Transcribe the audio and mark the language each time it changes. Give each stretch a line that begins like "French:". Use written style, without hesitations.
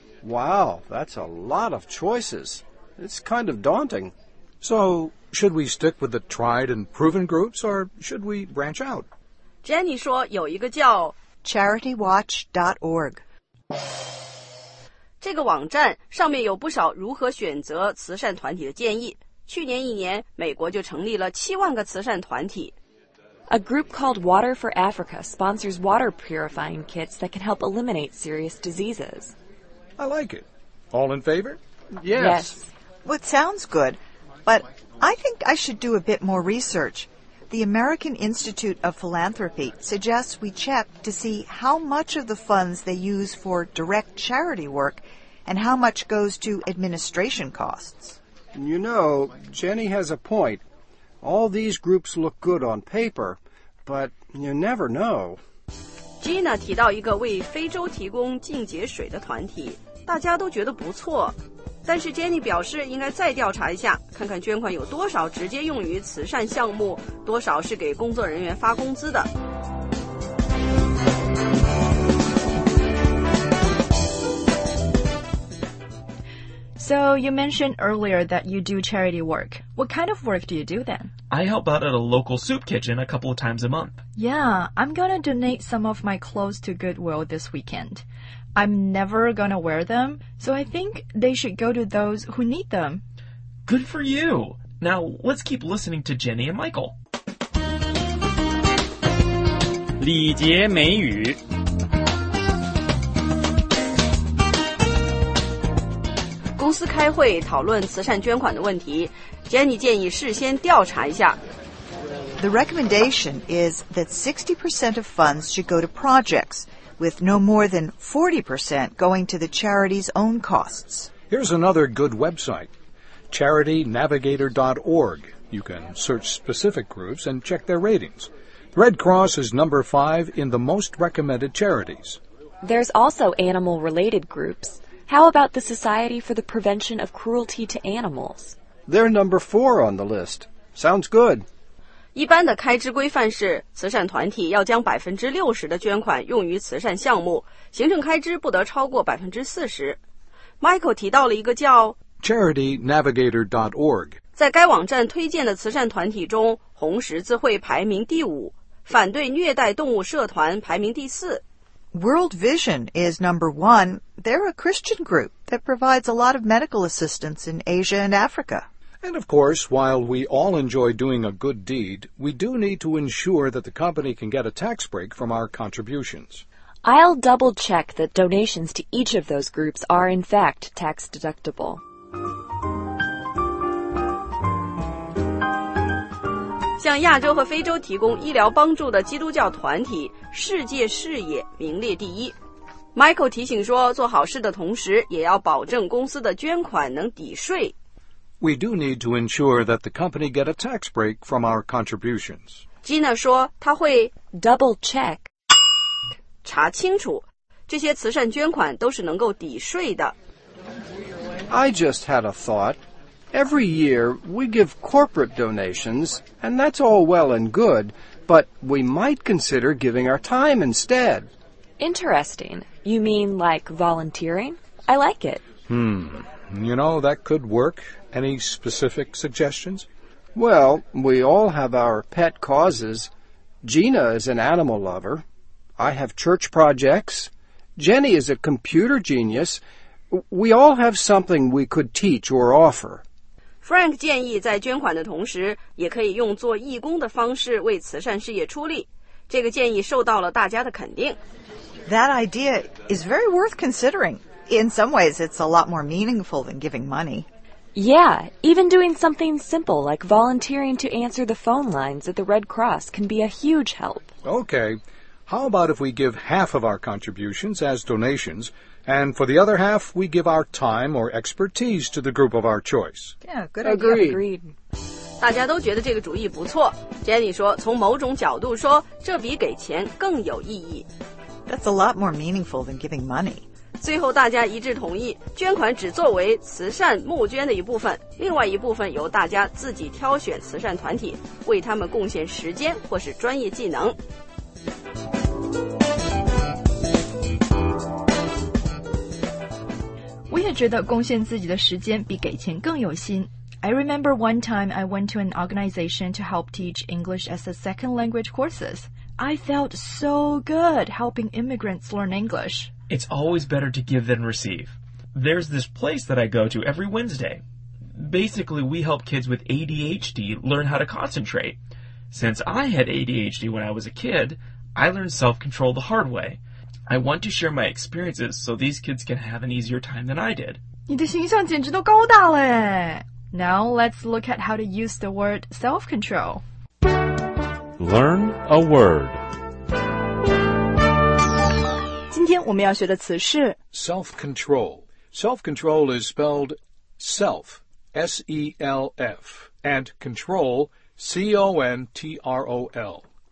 English: Wow, that's a lot of choices. It's kind of daunting. So, should we stick with the tried and proven groups, or should we branch out?
Chinese: Jenny 说有一个叫
English: CharityWatch.org
Chinese: 这个网站上面有不少如何选择慈善团体的建议。去年一年，美国就成立了70,000个慈善团体。
English: A group called Water for Africa sponsors water purifying kits that can help eliminate serious diseases. I like it. All in favor? Yes. Yes. Well, it sounds good, but I think I should do a bit more research. The American Institute of Philanthropy suggests we check to see how much of the funds they use for direct charity work and how much goes to administration costs. You know, Jenny has a point. All these groups look good on paper, but you never know.
Chinese: Gina 提到一个为非洲提供净洁水的团体，大家都觉得不错，但是 Jenny 表示应该再调查一下，看看捐款有多少直接用于慈善项目，多少是给工作人员发工资的。
English: So, you mentioned earlier that you do charity work. What kind of work do you do then? I help out at a local soup kitchen a couple of times a month. Yeah, I'm going to donate some of my clothes to Goodwill this weekend. I'm never going to wear them, so I think they should go to those who need them. Good for you! Now, let's keep listening to Jenny and Michael.
Chinese: 礼节美语公司开会讨论慈善捐款的问题， Jenny 建议事先调查一下。
English: The recommendation is that 60% of funds should go to projects, with no more than 40% going to the charity's own costs. Here's another good website, charitynavigator.org. You can search specific groups and check their ratings. Red Cross is number 5 in the most recommended charities. There's also animal-related groups. How about the Society for the Prevention of Cruelty to Animals? They're number 4 on the list. Sounds good.
Chinese: 一般的开支规范是慈善团体要将60%的捐款用于慈善项目，行政开支不得超过40%。 Michael 提到了一个叫
English: CharityNavigator.org.
Chinese: 在该网站推荐的慈善团体中，红十字会排名第5，反对虐待动物社团排名第4。
English: World Vision is number 1. They're a Christian group that provides a lot of medical assistance in Asia and Africa. And of course, while we all enjoy doing a good deed, we do need to ensure that the company can get a tax break from our contributions. I'll double check that donations to each of those groups are in fact tax deductible.
Chinese: 向亚洲和非洲提供医疗帮助的基督教团体世界视野名列第一。 Michael 提醒说，做好事的同时也要保证公司的捐款能抵税。
English: We do need to ensure that the company get a tax break from our contributions.
Chinese: Gina 说他会
English: double check
Chinese: 查清楚这些慈善捐款都是能够抵税的。
English: I just had a thought. Every year, we give corporate donations, and that's all well and good, but we might consider giving our time instead. Interesting. You mean like volunteering? I like it. You know, that could work. Any specific suggestions? Well, we all have our pet causes. Gina is an animal lover. I have church projects. Jenny is a computer genius. We all have something we could teach or offer. Frank 建议在捐款的同时也可以用做义工的方式为慈善事业出力。这个建议受到了大家的肯定。 That idea is very worth considering. In some ways, it's a lot more meaningful than giving money. Yeah, even doing something simple like volunteering to answer the phone lines at the Red Cross can be a huge help. Okay, how about if we give half of our contributions as donations, and for the other half, we give our time or expertise to the group of our choice? Yeah, good idea. Agreed.
Chinese: 大家都觉得这个主意不错。Jenny 说，从某种角度说，这比给钱更有意义。
English: That's a lot more meaningful than giving money.
Chinese: 最后大家一致同意，捐款只作为慈善募捐的一部分，另外一部分由大家自己挑选慈善团体，为他们贡献时间或是专业技能。我也觉得贡献自己的时间比给钱更有心。
English: I remember one time I went to an organization to help teach English as a second language courses. I felt so good helping immigrants learn English. It's always better to give than receive. There's this place that I go to every Wednesday. Basically, we help kids with ADHD learn how to concentrate. Since I had ADHD when I was a kid, I learned self-control the hard way. I want to share my experiences so these kids can have an easier time than I did.
Chinese: 你的形象简直都高大了。
English: Now, let's look at how to use the word self-control. Learn a word.
Chinese: 今天我们要学的词是
English: self-control. Self-control is spelled self, S-E-L-F, and control, C-O-N-T-R-O-L.